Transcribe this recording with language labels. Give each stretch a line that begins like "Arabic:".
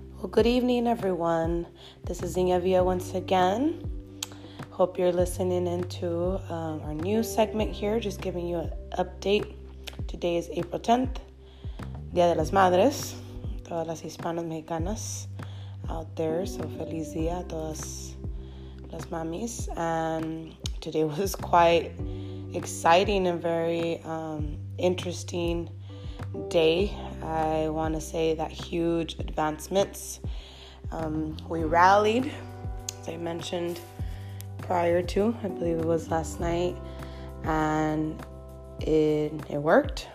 English: Good evening, everyone. This is Inyavia once again. Hope you're listening into our new segment here, just giving you an update. Today is April 10th, Dia de las Madres.
Spanish: Todas las hispanas mexicanas out there, so feliz día a todas las mamis.
English: And today was quite exciting and very interesting day. I want to say that huge advancements. We rallied, as I mentioned prior to, I believe it was last night, and it worked.